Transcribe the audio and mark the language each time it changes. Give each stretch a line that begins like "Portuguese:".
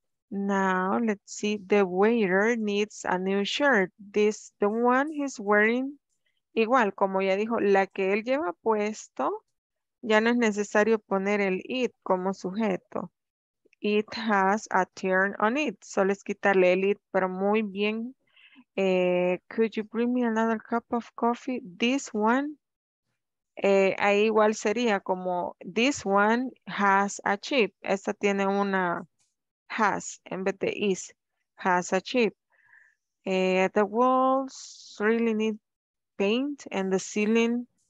English: Now, let's see. The waiter needs a new shirt. This, the one he's wearing.
Spanish: Igual, como ya dijo, la que él lleva puesto, ya no es necesario poner el it como sujeto.
English: It has a tear on it.
Spanish: Solo es quitarle el it, pero muy bien.
English: Could you bring me another cup of coffee? This one.
Spanish: Ahí igual sería como
English: this one has a chip.
Spanish: Esta tiene una has en vez de is.
English: Has a chip. The walls really need paint and the ceiling.